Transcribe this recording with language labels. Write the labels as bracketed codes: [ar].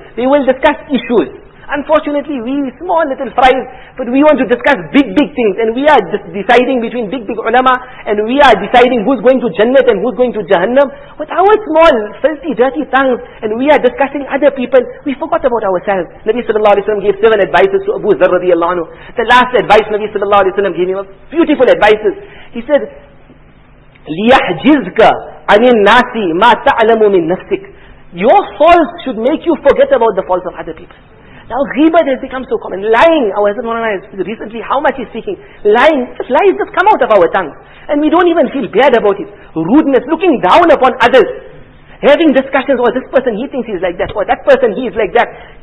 [en] They will discuss issues. Unfortunately, we small little fries, but we want to discuss big, big things, and we are just deciding between big, big ulama, and we are deciding who's going to Jannat and who's going to Jahannam. With our small, filthy, dirty tongues, and we are discussing other people, we forgot about ourselves. Nabi sallallahu alayhi wa sallam gave 7 advices to Abu Dharr radiallahu anhu. The last advice Nabi sallallahu alayhi wa sallam gave him, beautiful advices. He said, [ar] لِيَحْجِزْكَ عَنِ النَّاسِ مَا تَعْلَمُ مِن نَفْسِكَ. [en] Your faults should make you forget about the faults of other people. Now ghibat has become so common. Lying, our Hazrat Mawlana recently, how much he's speaking. Lying, just lies just come out of our tongue. And we don't even feel bad about it. Rudeness, looking down upon others. Having discussions, oh, this person, he thinks he's like that. Or that person, he is like that.